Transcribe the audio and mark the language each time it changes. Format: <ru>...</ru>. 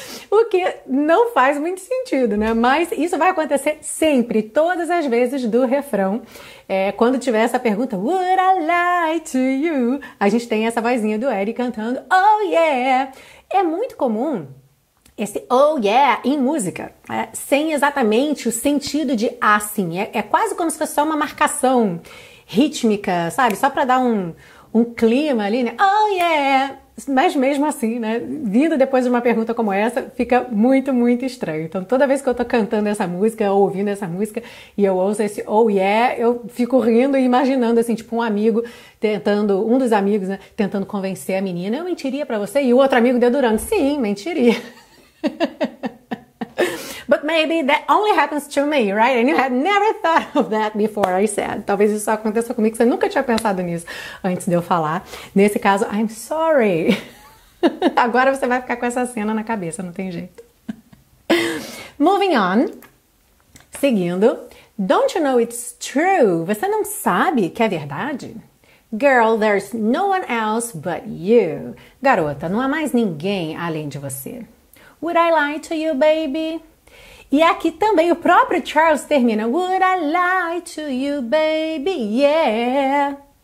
<pt>O que não faz muito sentido, né? Mas isso vai acontecer sempre, todas as vezes do refrão. É, quando tiver essa pergunta,</pt> <en>would I lie to you?</en> <pt>A gente tem essa vozinha do Ed cantando,</pt> <en>oh yeah.</en> <pt>É muito comum esse oh yeah em música, é, sem exatamente o sentido de assim. É quase como se fosse só uma marcação rítmica, sabe? Só pra dar um clima ali, né?</pt> <en>Oh yeah!</en> <pt>Mas mesmo assim, né? Vindo depois de uma pergunta como essa, fica muito, muito estranho. Então, toda vez que eu tô cantando essa música, ou ouvindo essa música, e eu ouço esse</pt> <en>oh yeah,</en> <pt>eu fico rindo e imaginando, assim, tipo, um dos amigos, né? Tentando convencer a menina, eu mentiria pra você? E o outro amigo dedurando, sim, mentiria.</pt> <en>But maybe that only happens to me, right? And you had never thought of that before I said.</en> <pt>Talvez isso só aconteça comigo, que você nunca tinha pensado nisso antes de eu falar. Nesse caso,</pt> <en>I'm sorry.</en> <pt>Agora você vai ficar com essa cena na cabeça, não tem jeito.</pt> <en>Moving on.</en> <pt>Seguindo.</pt> <en>Don't you know it's true?</en> <pt>Você não sabe que é verdade?</pt> <en>Girl, there's no one else but you.</en> <pt>Garota, não há mais ninguém além de você.</pt> <en>Would I lie to you, baby?</en> <pt>E aqui também o próprio Charles termina.</pt> <en>Would I lie to you, baby? Yeah.</en>